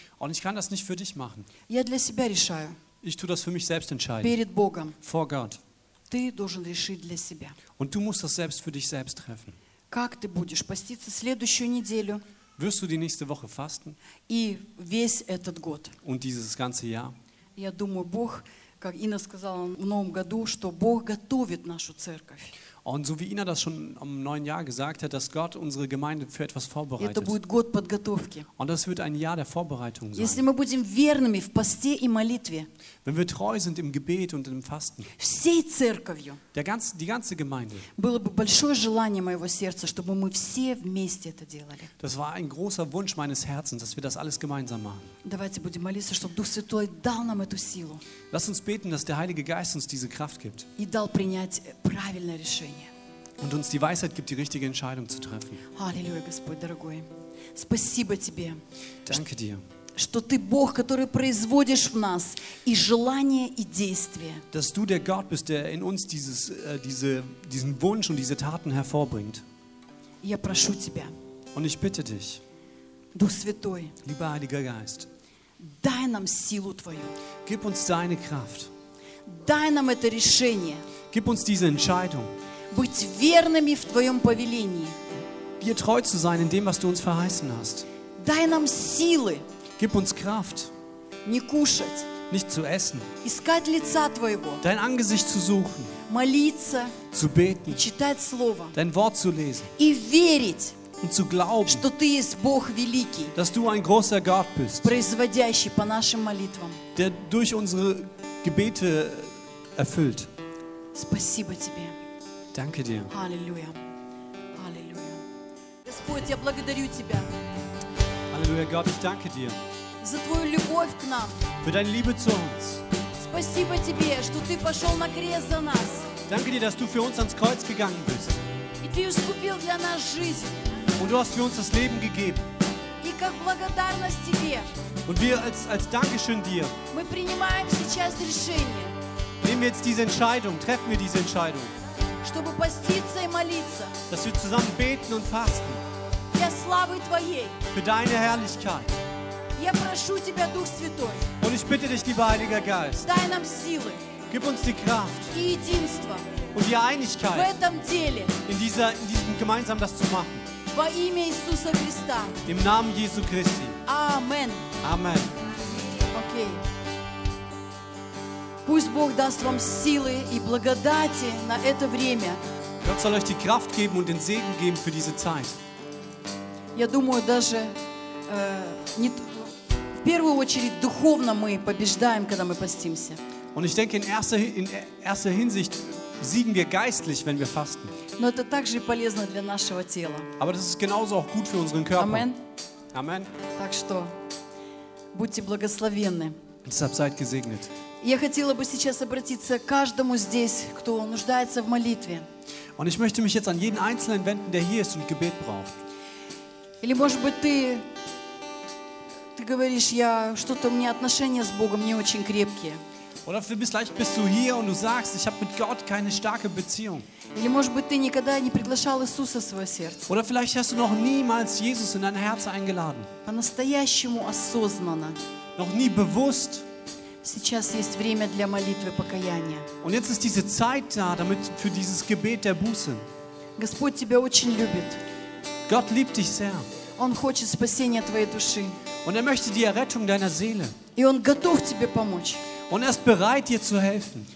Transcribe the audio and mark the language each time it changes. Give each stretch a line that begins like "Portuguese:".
German: Und ich kann das nicht für dich machen.
Russian: Я для себя решаю.
German: Ich tue das für mich selbst entscheiden.
Russian: Перед Богом.
German: Vor Gott.
Russian: Ты должен решить для себя.
German: Und du musst das selbst für dich selbst treffen.
Russian: Как ты будешь поститься следующую неделю?
German: Wirst du die nächste Woche fasten?
Russian: И весь этот год.
German: Und dieses ganze Jahr.
Russian: Я думаю, Бог, как Инна сказала в новом году, что Бог готовит нашу церковь.
German: Und so wie Ina das schon im neuen Jahr gesagt hat, dass Gott unsere Gemeinde für etwas vorbereitet.
Russian: Это будет год подготовки.
German: Und das wird ein Jahr der Vorbereitung sein.
Russian: Если мы будем верными в посте и молитве.
German: Wenn wir treu sind im Gebet und im Fasten.
Russian: Всей церковью.
German: Die ganze Gemeinde.
Russian: Было бы большое желание моего сердца, чтобы мы все вместе это делали.
German: Das war ein großer Wunsch meines Herzens, dass wir das alles gemeinsam machen.
Russian: Давайте будем молиться, чтобы Дух Святой дал нам эту силу.
German: Lass uns beten, dass der Heilige Geist uns diese Kraft gibt.
Russian: И дал принять правильное решение.
German: Und uns die Weisheit gibt, die richtige Entscheidung zu treffen.
Russian: Halleluja, Господь, дорогой. Спасибо тебе.
German: Danke dir.
Russian: Что ты Бог, который производишь в нас и желание, и действие.
German: Dass du der Gott bist, der in uns diesen Wunsch und diese Taten hervorbringt.
Russian: Я прошу тебя.
German: Und ich bitte dich.
Russian: Дух Святой.
German: Lieber Heiliger Geist.
Russian: Дай нам силу твою.
German: Gib uns deine Kraft.
Russian: Дай нам это решение.
German: Gib uns diese Entscheidung.
Russian: Быть верными в твоем повелении.
German: Dir treu zu sein in dem, was du uns verheißen hast.
Russian: Дай нам силы.
German: Gib uns Kraft.
Russian: Не кушать.
German: Nicht zu essen.
Russian: Искать лица твоего.
German: Dein Angesicht zu suchen.
Russian: Молиться.
German: Zu beten.
Russian: И читать слово.
German: Dein Wort zu lesen.
Russian: И верить.
German: Und zu glauben,
Russian: что ты есть Бог великий.
German: Dass du ein großer Gott bist.
Russian: Производящий по нашим молитвам.
German: Der durch unsere Gebete erfüllt.
Russian: Спасибо тебе.
German: Danke dir. Halleluja. Halleluja.
Russian: Господь, я благодарю тебя.
German: Halleluja, Gott, ich danke dir.
Russian: За твою любовь к нам.
German: Für deine Liebe zu uns.
Russian: Спасибо тебе, что ты пошел на крест за нас.
German: Danke dir, dass du für uns ans Kreuz gegangen bist.
Russian: И ты искупил для нас жизнь.
German: Und du hast für uns das Leben gegeben.
Russian: И как благодарность тебе.
German: Und wir als Dankeschön dir.
Russian: Мы принимаем сейчас решение.
German: Nehmen wir jetzt diese Entscheidung, treffen wir diese Entscheidung.
Russian: Чтобы поститься и молиться.
German: Dass wir zusammen beten und fasten.
Russian: Для славы твоей.
German: Für deine Herrlichkeit.
Russian: Я прошу тебя, Дух Святой.
German: Und ich bitte dich, lieber Heiliger Geist.
Russian: Дай нам силы.
German: Gib uns die Kraft.
Russian: И единство.
German: Und die Einigkeit.
Russian: В этом деле.
German: In diesem gemeinsam das zu machen.
Russian: Во имя Иисуса Христа.
German: Im Namen Jesu Christi. Amen. Amen. Okay.
Russian: Пусть Бог даст вам силы и благодати на это время.
German: Gott soll euch die Kraft geben und den Segen geben für diese Zeit.
Russian: Я думаю, даже в первую очередь духовно мы побеждаем, когда мы постимся.
German: Und ich denke, in erster Hinsicht siegen wir geistlich, wenn wir fasten.
Russian: Но это также полезно для нашего тела.
German: Aber das ist genauso auch gut für unseren Körper. Amen. Amen.
Russian: Так что будьте благословенны.
German: Deshalb seid gesegnet.
Russian: Я хотела бы сейчас обратиться к каждому здесь, кто нуждается в молитве.
German: Und ich möchte mich jetzt an jeden Einzelnen wenden, der hier ist und Gebet braucht.
Russian: Или, может быть, ты говоришь, я что-то у меня отношения с Богом не очень крепкие.
German: Oder vielleicht bist du hier und du sagst, ich habe mit Gott keine starke Beziehung.
Russian: Или, может быть, ты никогда не приглашал Иисуса в свое сердце.
German: Oder vielleicht hast du noch niemals Jesus in dein Herz eingeladen.
Russian: По-настоящему осознанно.
German: Noch nie bewusst.
Russian: Сейчас есть время для молитвы покаяния.
German: Und jetzt ist diese Zeit da, damit für dieses Gebet der Buße.
Russian: Господь тебя очень любит.
German: Gott liebt dich sehr.
Russian: Он хочет спасения твоей души.
German: Und möchte die Errettung deiner Seele.
Russian: И он готов тебе помочь.
German: Und ist bereit, dir zu helfen.